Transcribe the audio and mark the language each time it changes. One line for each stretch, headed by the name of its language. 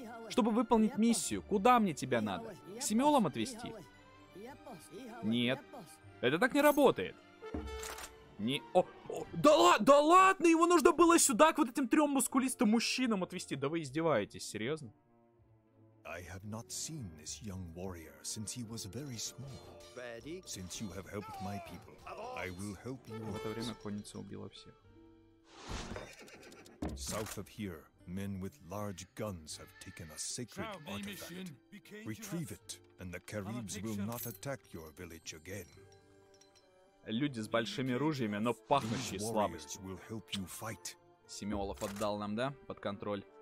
Russian: Чтобы выполнить миссию. Куда мне тебя надо? К Семёлам отвезти? Нет, это так не работает. Не, да ладно, его нужно было сюда к вот этим трем мускулистым мужчинам отвезти. Да вы издеваетесь, серьезно?
English: I have not seen this young warrior since he was very small. Since you have helped my people, I will help you.
Russian: В это время конница убила всех.
English: South of here, men with large guns have taken a sacred artifact. Retrieve it, and the Caribs will not attack your village again.
Russian: Люди с большими ружьями, но пахнущие слабостью. Семиолов отдал нам, да? Под контроль.